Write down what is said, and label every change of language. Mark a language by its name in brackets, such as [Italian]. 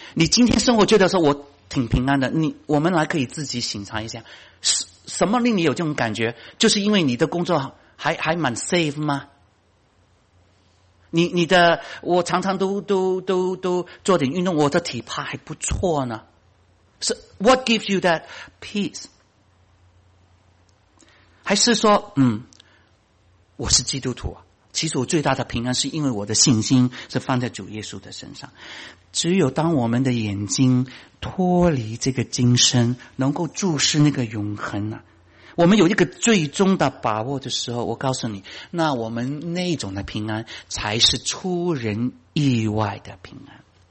[Chinese] 你今天生活觉得说我挺平安的，我们来可以自己省察一下，什么令你有这种感觉？就是因为你的工作还蛮 safe 吗？你的，我常常都做点运动，我的体魄还不错呢。 [English] So, what gives you that peace? [Chinese] 还是说，我是基督徒，其实我最大的平安是因为我的信心是放在主耶稣的身上。只有当我们的眼睛脱离这个今生，能够注视那个永恒啊，我们有一个最终的把握的时候，我告诉你，那我们那种的平安才是出人意外的平安。